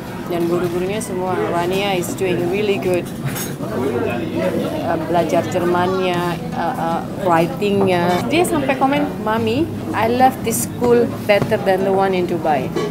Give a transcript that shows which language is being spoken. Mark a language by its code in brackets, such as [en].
[id] Dan guru-gurunya semua, [en] Rania is doing really good. [id] Belajar Jermannya, writingnya. Dia sampai komen, [en] "Mami, I love this school better than the one in Dubai."